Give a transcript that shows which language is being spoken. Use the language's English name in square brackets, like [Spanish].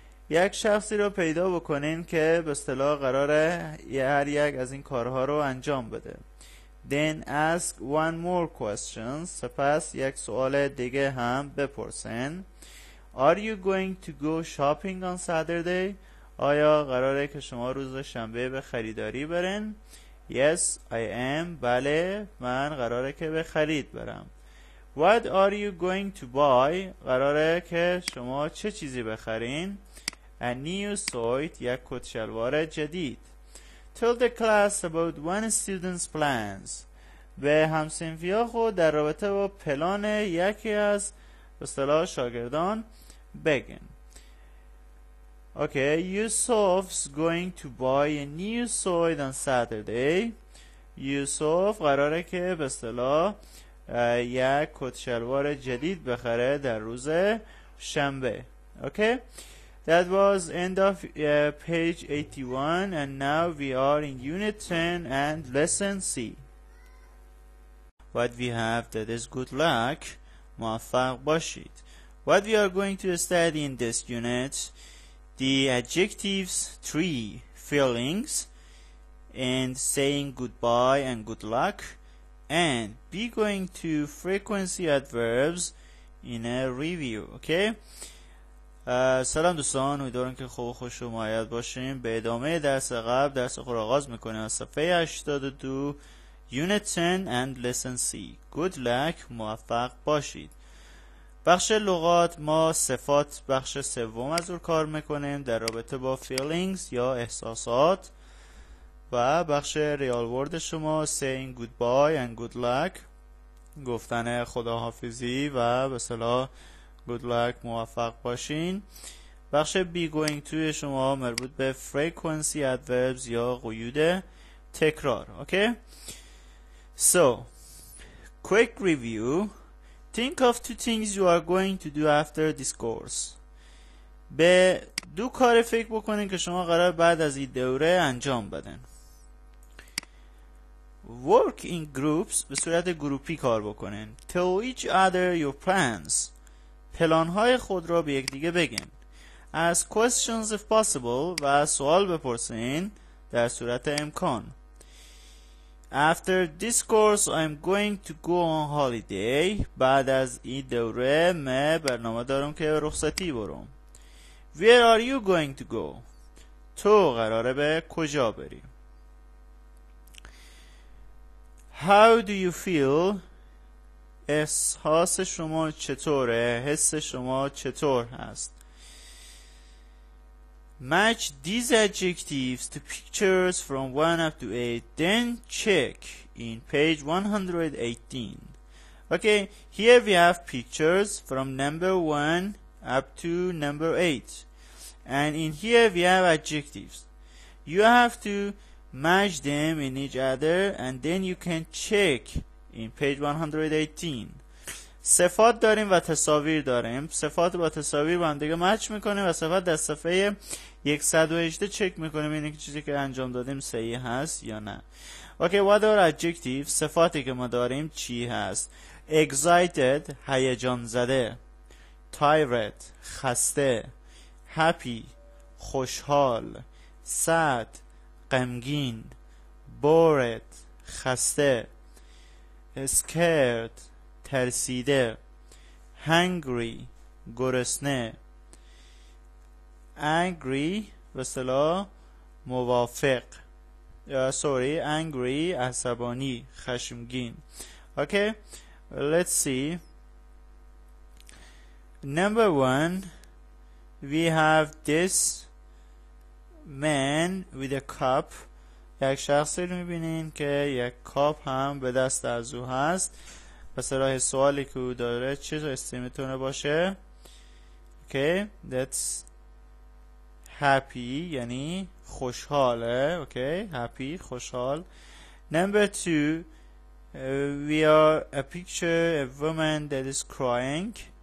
[Persian] یک شخصی رو پیدا بکنین که به اصطلاح قراره هر یک از این کارها رو انجام بده. [English] Then ask one more question. [Persian] سپس یک سوال دیگه هم بپرسین. [English] Are you going to go shopping on Saturday? [Persian] آیا قراره که شما روز شنبه به خریداری برین؟ [English] Yes, I am. [Persian] بله، من قراره که به خرید برم. [English] What are you going to buy? [Persian] قراره که شما چه چیزی بخرین؟ [English] A new suit. [Persian] یک کت شلوار جدید. [English] Tell the class about one student's plans. [Persian] به همسنفیا خود در رابطه با پلان یکی از به اصطلاح شاگردان بگین. [English] Okay, Yusuf's going to buy a new suit on Saturday. [Persian] یوسف قراره که به اصطلاح یک کت شلوار جدید بخره در روز شنبه. [English] Okay? That was end of page 81 and now we are in unit 10 and lesson C. What we have that is good luck. [Persian] موفق باشید. [English] What we are going to study in this unit, the adjectives 3, feelings, and saying goodbye and good luck, and be going to frequency adverbs in a review, okay? [Persian] سلام دوستان، امیدوارم که خوب و خوش و معید باشیم. به ادامه درس قبل، درس خود را آغاز میکنیم از صفحه 82 [English] unit 10 and lesson C. [Persian] Good luck، موفق باشید. بخش لغات ما صفات بخش سوم از اون کار میکنیم در رابطه با feelings یا احساسات و بخش real world شما [English] saying goodbye and good luck [Persian] گفتن خداحافظی و به صلاح good luck موفق باشین. بخش be going to شما مربوط به frequency adverbs یا قیود تکرار. [English] So quick review. Think of two things you are going to do after this course. [Persian] به دو کار فکر بکنین که شما قرار بعد از این دوره انجام بدن. [English] Work in groups [Persian] به صورت گروپی کار بکنین. [English] Tell each other your plans. [Persian] پلانهای خود را به یک دیگه بگین. [English] Ask questions if possible [Persian] و سوال بپرسین در صورت امکان. [English] After this course I'm going to go on holiday. [Persian] بعد از این دوره من برنامه دارم که رخصتی برم. [English] Where are you going to go? [Persian] تو قراره به کجا بری؟ [English] How do you feel? [Persian] احساس شما چطوره؟ حس شما چطور هست؟ [English] Match these adjectives to pictures from 1 up to 8, then check in page 118. Okay, here we have pictures from number 1 up to number 8. And in here we have adjectives. You have to match them in each other and then you can check in page 118. [Persian] صفات داریم و تصاویر داریم. صفات با تصاویر با هم دیگه مچ میکنیم و صفات در صفحه 118 چک میکنیم اینه که چیزی که انجام دادیم صحیح هست یا نه. [English] Okay, what are adjectives؟ [Persian] صفاتی که ما داریم چی هست؟ Excited، هیجان زده. Tired، خسته. Happy، خوشحال. Sad، غمگین. Bored، خسته. Scared، ترسیده. Hungry، گرسنه. Angry، به اصطلاح موافق. Sorry، angry، عصبانی، خشمگین. [English] Okay، let's see. Number one، we have this man with a cup. [Persian] یک شخصی رو میبینین که یک کاپ هم به دست از او هست. مثلا سوالی که او داره چه حسی میتونه باشه؟ [English] Okay، that's happy، [Persian] یعنی خوشحاله. [English] Okay، happy، خوشحال. Number two، we are a picture of a woman that is crying.